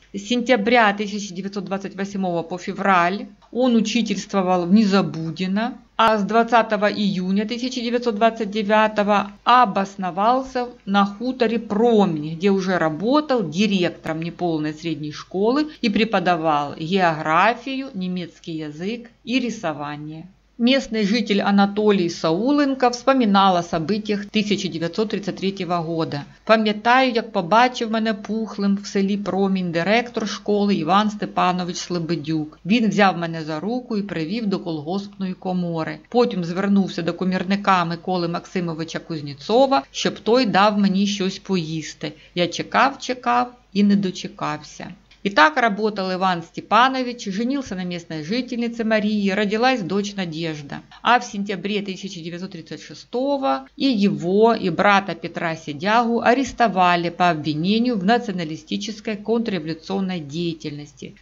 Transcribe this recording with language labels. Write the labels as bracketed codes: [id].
[ru] С сентября 1928 по февраль он учительствовал в Незабудино, а с 20 июня 1929 обосновался на хуторе Промень, где уже работал директором неполной средней школы и преподавал географию, немецкий язык и рисование. Местный житель Анатолий Сауленко вспоминал о событиях 1933 года. [uk] «Пам'ятаю, як побачив мене пухлим в селі Промінь директор школи Іван Степанович Слебедюк. Він взяв мене за руку і привів до колгоспної комори. Потім звернувся до комірника Миколи Максимовича Кузнєцова, щоб той дав мені щось поїсти. Я чекав, чекав і не дочекався». [ru] И так работал Иван Степанович, женился на местной жительнице Марии, родилась дочь Надежда. А в сентябре 1936 и его, и брата Петра Сидягу арестовали по обвинению в националистической контрреволюционной деятельности.